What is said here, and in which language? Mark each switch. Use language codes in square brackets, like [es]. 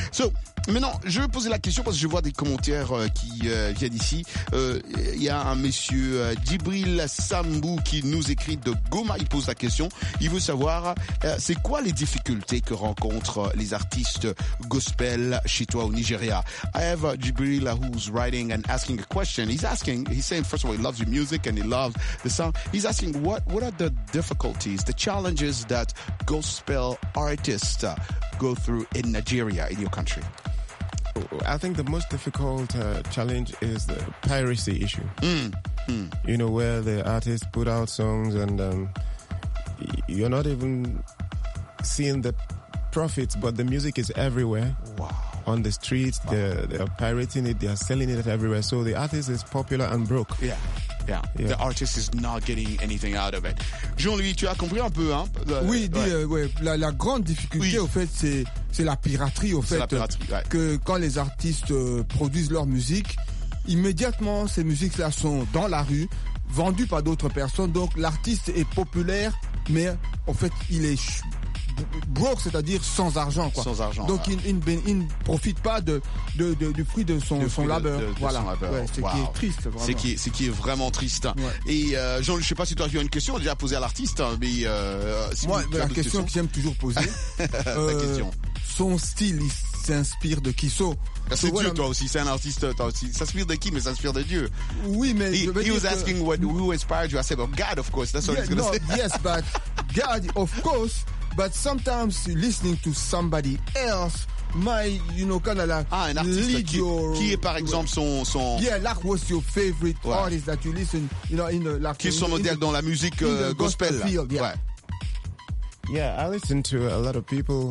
[fr] So, maintenant, je vais poser la question parce que je vois des commentaires qui viennent ici. Il y a un monsieur Djibril Sambou qui nous écrit de Goma. Il pose la question. Il veut savoir, c'est quoi les difficultés que rencontrent les artistes gospel chez toi au Nigeria? [en] I have Djibril who's writing and asking a question. He's asking, he's saying, first of all, he loves the music and he loves the sound. He's asking, what are the difficulties, the challenges that gospel artists go through in Nigeria, in your country? I think the most difficult challenge is the piracy issue. Mm. Mm. You know, where the artist put out songs and you're not even seeing the profits, but the music is everywhere. Wow. On the streets, wow. They're pirating it, they're selling it everywhere. So the artist is popular and broke. Yeah. Yeah. Yeah, the artist is not getting anything out of it. [fr] Jean-Louis, tu as compris un peu, hein? Oui, dis, ouais. Ouais, la grande difficulté, oui. Au fait, c'est la piraterie, au fait. C'est la piraterie, ouais. Que quand les artistes produisent leur musique, immédiatement, ces musiques-là sont dans la rue, vendues par d'autres personnes. Donc, l'artiste est populaire, mais en fait, il est broke, c'est-à-dire sans argent, quoi. Sans argent. Donc, ouais. Il ne profite pas du fruit de son labeur. Voilà. Ouais, c'est qui est triste, vraiment. C'est qui est vraiment triste. Ouais. Et, Jean-Luc, je sais pas si toi, tu as une question déjà posée à l'artiste, mais, moi, la question que j'aime toujours poser. La question. Son style, il s'inspire de qui? C'est Dieu, toi aussi, c'est un artiste, toi aussi. Il s'inspire de qui, mais il s'inspire de Dieu. Oui, mais. [en] He was asking who inspired you. I said, well, God, of course. That's what he's gonna say. Yes, but God, of course. But sometimes listening to somebody else might, you know, kind of like an artist lead your... [fr] Qui est, par exemple, son... [en] Yeah, like what's your favorite artist that you listen, you know, in the... Like, [fr] qui est son modèle dans la musique gospel? [en] Field, yeah. Ouais. Yeah, I listen to a lot of people.